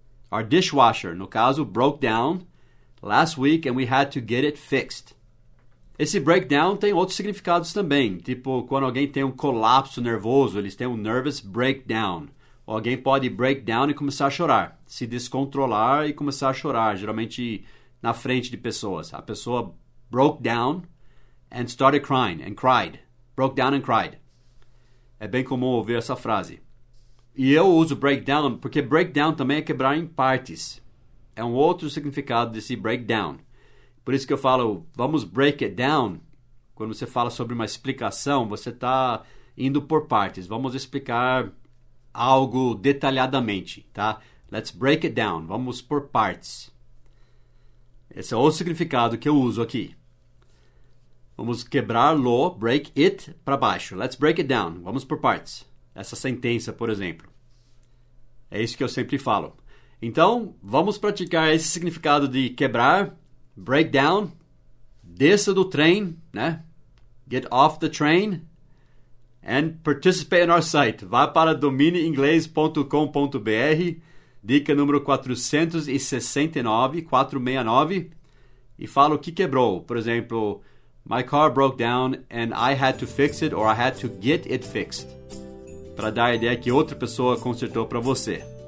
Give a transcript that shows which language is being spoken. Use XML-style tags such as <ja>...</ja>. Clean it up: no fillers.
<en>Our dishwasher,</en> <pt>no caso,</pt> <en>broke down last week, and we had to get it fixed.</en> <pt>Esse breakdown tem outros significados também. Tipo, quando alguém tem um colapso nervoso, eles têm um nervous breakdown. Ou alguém pode break down e começar a chorar. Se descontrolar e começar a chorar. Geralmente, na frente de pessoas. A pessoa</pt> <en>broke down and started crying and cried. Broke down and cried.</en> <pt>É bem comum ouvir essa frase. E eu uso breakdown porque breakdown também é quebrar em partes. É um outro significado desse breakdown. Por isso que eu falo, vamos</pt> <en>break it down.</en> <pt>Quando você fala sobre uma explicação, você está indo por partes. Vamos explicar algo detalhadamente, tá?</pt> <en>Let's break it down.</en> <pt>Vamos por partes. Esse é outro significado que eu uso aqui. Vamos quebrar lo, break it, para baixo.</pt> <en>Let's break it down.</en> <pt>Vamos por partes. Essa sentença, por exemplo. É isso que eu sempre falo. Então, vamos praticar esse significado de quebrar, break down, desça do trem, né?</pt> <en>Get off the train and participate in our site.</en> <pt>Vá para dominioinglês.com.br, dica número 469, 469, e fala o que quebrou. Por exemplo,</pt> <en>my car broke down and I had to fix it or I had to get it fixed.</en> <pt>Para dar a ideia que outra pessoa consertou para você.</pt>